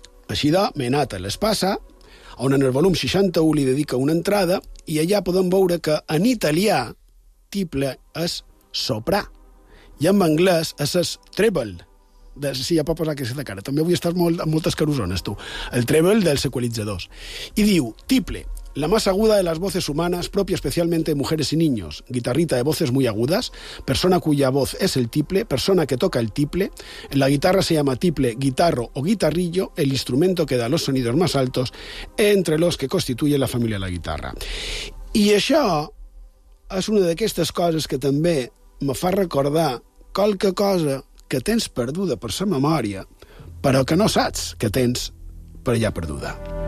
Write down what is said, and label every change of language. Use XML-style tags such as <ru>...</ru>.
<ca>Així de, menata l'espassa, on en el volum 61 li dedica una entrada, i allà podem veure que en italià tiple és soprà, i en anglès és treble. Sí, ja pot posar aquesta cara. També avui estàs amb moltes carusones, tu. El treble dels equalitzadors.</ca> <es>I diu, tiple, la más aguda de las voces humanas, propia especialmente de mujeres y niños, guitarrita de voces muy agudas, persona cuya voz es el tiple, persona que toca el tiple, en la guitarra se llama tiple, guitarro o guitarrillo, el instrumento que da los sonidos más altos entre los que constituye la familia de la guitarra.</es> <ca>I això és una d'aquestes coses que també me fa recordar qualque cosa que tens perduda per sa memòria, però que no saps que tens per allà perduda.</ca>